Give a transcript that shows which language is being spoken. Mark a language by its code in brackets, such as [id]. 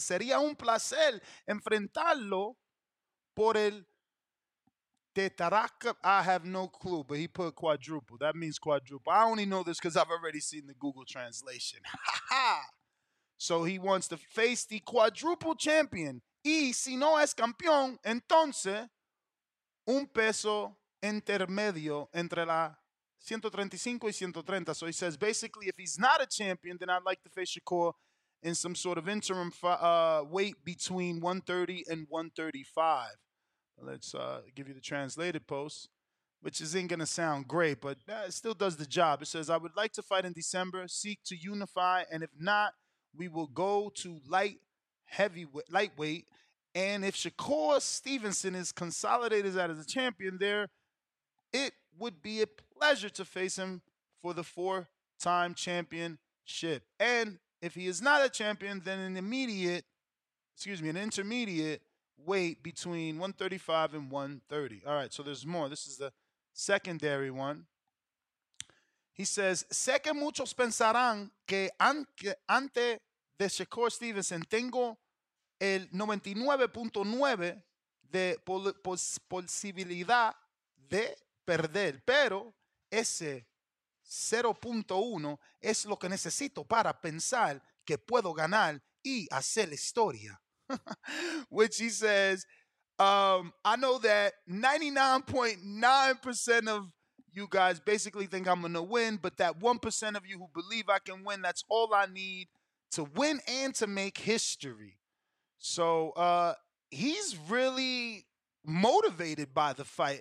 [es] Sería un placer enfrentarlo por el tetraca. [en] I have no clue, but he put quadruple. That means quadruple. I only know this because I've already seen the Google translation. Ha ha! So he wants to face the quadruple champion. [es] Y si no es campeón, entonces un peso intermedio entre la 135 y 130. [en] So he says, basically, if he's not a champion, then I'd like to face Shakur in some sort of interim weight between 130 and 135. Let's give you the translated post, which isn't going to sound great, but it still does the job. It says, I would like to fight in December, seek to unify, and if not, we will go to lightweight. And if Shakur Stevenson is consolidated as a champion there, it would be a pleasure to face him for the four-time championship. And if he is not a champion, then an intermediate weight between 135 and 130. All right, so there's more. This is the secondary one. He says, [es] sé que muchos pensarán que antes de Shakur Stevenson tengo el 99.9 de posibilidad de perder, pero ese 0.1 es lo que necesito para pensar que puedo ganar y hacer historia. [en] Which he says, I know that 99.9% of you guys basically think I'm going to win, but that 1% of you who believe I can win, that's all I need to win and to make history. So he's really motivated by the fight.